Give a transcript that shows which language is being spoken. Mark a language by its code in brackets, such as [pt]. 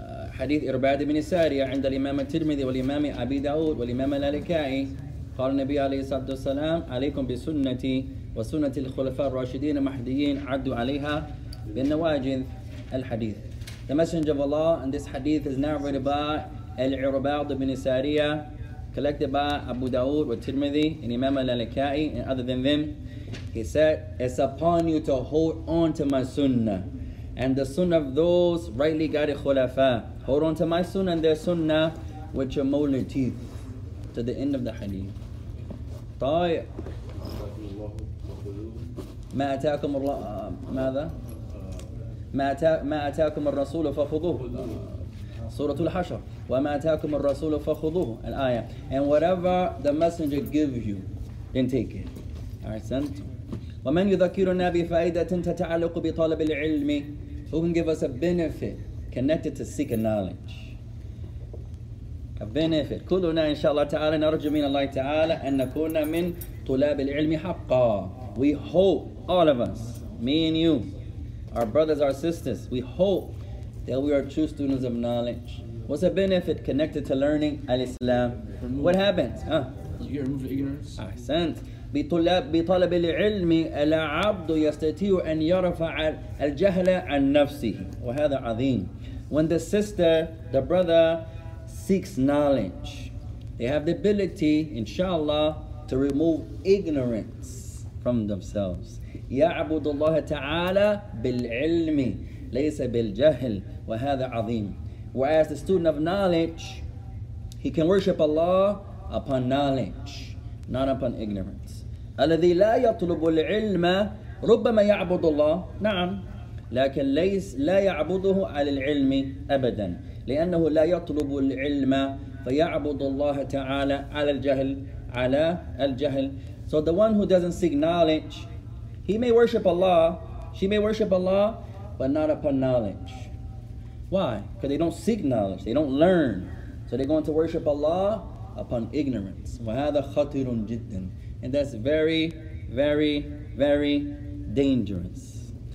[ar] حديث إرباد بن سارية عند الإمام الترمذي والإمام أبي داود والإمام المالكي قال النبي عليه الصلاة والسلام عليكم بسنتي وسنة الخلفاء الراشدين المهديين عدوا عليها بالنواجذ الحديث. [en] The Messenger of Allah and this hadith is narrated by Al-Irbad ibn Sariyah. Collected by Abu Dawood with Tirmidhi and Imam Al-Alika'i and other than them, he said, it's upon you to hold on to my sunnah and the sunnah of those rightly guided khulafa. Hold on to my sunnah and their sunnah with your molar teeth to the end of the hadith. [ar] طيب. ما أتاكم الله ماذا؟ ما أتاكم الرسول فخذوه. سورة الحشر. وما أتاكم الرسول فخذوه. الآية. [en] And whatever the messenger gives you, then take it. Alright. [ar] ومن يذكرنا بفائدة تتعلق بطلب العلم. [en] Who can give us a benefit connected to seeking knowledge? A benefit. [ar] كلنا إن شاء الله تعالى نرجو من الله تعالى أن نكون من طلاب العلم حقا. [en] We hope all of us, me and you, our brothers, our sisters, we hope that we are true students of knowledge. What's a benefit connected to learning al-Islam? What happens? You remove ignorance. [ar] Ahsant. بطلب العلم العبد يستطيع أن يرفع الجهل عن نفسه. وهذا عظيم. [en] When the sister, the brother, seeks knowledge, they have the ability, inshallah, to remove ignorance from themselves. [ar] يعبد الله تعالى بالعلم ليس بالجهل. وهذا عظيم. [en] Whereas the student of knowledge, he can worship Allah upon knowledge, not upon ignorance. [ar] الذي لا يطلب العلم ربما يعبد الله. نعم. لكن ليس لا يعبده على العلم أبدا لأنه لا يطلب العلم فيعبد الله تعالى على الجهل على الجهل. [en] So the one who doesn't seek knowledge, he may worship Allah, she may worship Allah, but not upon knowledge. Why? Because they don't seek knowledge, they don't learn. So they're going to worship Allah upon ignorance. [ar] وَهَذَا خَطِرٌ جِدًّا. [en] And that's very, very, very dangerous.